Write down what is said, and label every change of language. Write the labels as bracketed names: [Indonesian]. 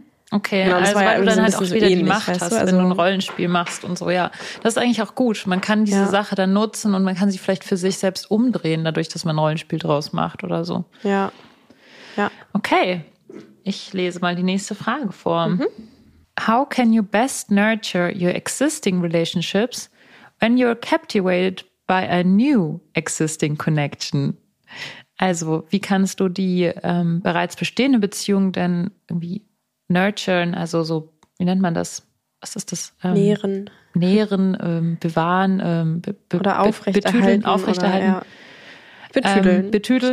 [German] okay, genau, also weil ja du dann halt auch wieder ähnlich, die Macht hast, also, wenn du ein Rollenspiel machst und so, ja. Das ist eigentlich auch gut. Man kann diese, ja, Sache dann nutzen und man kann sie vielleicht für sich selbst umdrehen, dadurch, dass man ein Rollenspiel draus macht oder so. Ja. Ja. Okay, ich lese mal die nächste Frage vor. Mhm. [English] How can you best nurture your existing relationships when you're captivated by a new existing connection? [German] Also, wie kannst du die bereits bestehende Beziehung denn irgendwie nurturen, also so, wie nennt man das? Was ist das? Nähren. Nähren, bewahren, oder aufrechterhalten. Betüdeln, aufrechterhalten. Oder, ja. Betüdeln. Betüdeln.